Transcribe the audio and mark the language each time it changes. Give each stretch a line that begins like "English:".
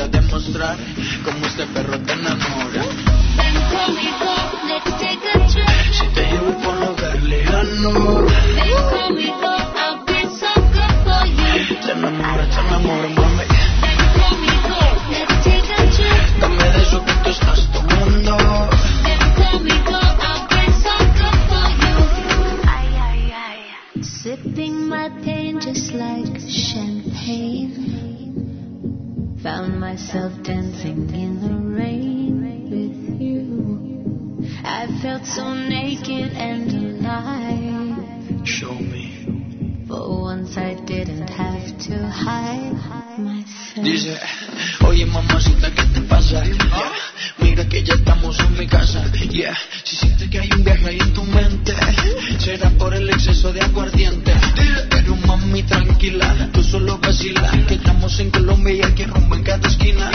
Spanish: mostrar cómo este perro te enamora. Ven conmigo,
English: let's take a trip.
Spanish: Si te llevo a un lugar lejano. Ven conmigo,
English: I'll be so good for you.
Spanish: Te enamora, mami. Ven conmigo,
English: let's take a trip.
Spanish: Dame de eso que tú estás tomando. Ven conmigo,
English: I'll be so good for you. Ay, ay, ay. Sipping my pain just like champagne. Found myself dancing in the rain with you. I felt so naked and alive. Show me. For once I didn't have to hide myself.
Spanish: Dice, oye mamacita, ¿qué te pasa? Yeah. Mira que ya estamos en mi casa. Yeah. Si sientes que hay un viaje ahí en tu mente, será por el exceso de aguardiente. Pero mami, tranquila, tú solo vacila. Que estamos en Colombia y aquí rumbo en cada esquina.